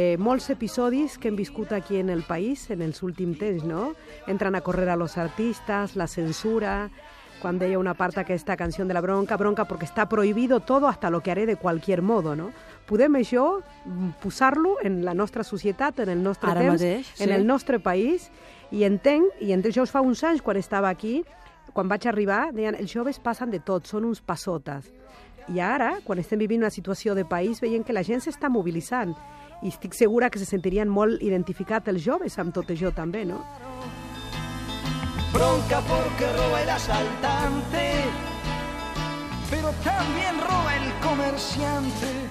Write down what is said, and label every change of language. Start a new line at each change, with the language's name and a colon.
Catalan: Molts episodis que hem viscut aquí en el país en els últims temps, no?
Spanish: Entren a correr a los artistas, la censura,
Catalan: quan deia una part aquesta canció de la bronca,
Spanish: bronca porque está prohibido todo hasta lo que haré de cualquier modo, no?
Catalan: Podem això posar-lo en la nostra societat, en el nostre ara temps, mateix, sí. En el nostre país, i entenc, i entenc, jo us fa uns anys quan estava aquí, quan vaig arribar, deien, els joves passen de tot, són uns passotes. I ara, quan estem vivint una situació de país, veiem que la gent s'està mobilitzant. I estic segura que se sentirien molt identificats els joves amb tot això també, no?
Spanish: Bronca porque roba el asaltante, pero también roba el comerciante.